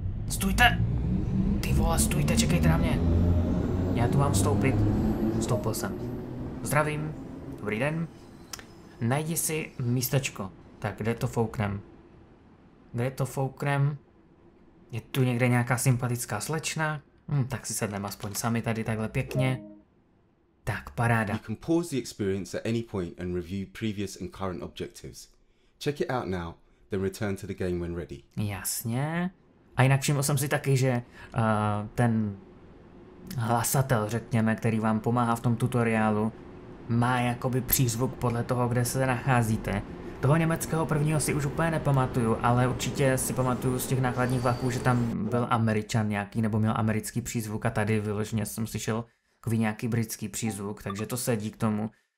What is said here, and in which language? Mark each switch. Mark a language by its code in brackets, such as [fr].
[cs] Stůjte! Ty vole, stůjte, čekejte na mě! Já tu mám vstoupit, vstoupil jsem. Zdravím, dobrý den. Najdi si místečko, tak kde to fouknem? Kde to fouknem? Je tu někde nějaká sympatická slečna? Tak si sedneme aspoň sami tady takhle pěkně. Tak, paráda. [en] You can pause the experience at any point and review previous and current objectives. Check it out now, then return to the game when ready. [cs] Jasně. A jinak všiml jsem si taky, že ten hlasatel, řekněme, který vám pomáhá v tom tutoriálu, má jakoby přízvuk podle toho, kde se nacházíte. Toho německého prvního si už úplně nepamatuju, ale určitě si pamatuju z těch nákladních vlaků, že tam byl Američan nějaký, nebo měl americký přízvuk a tady vyloženě jsem slyšel takový nějaký britský přízvuk, takže to sedí k tomu.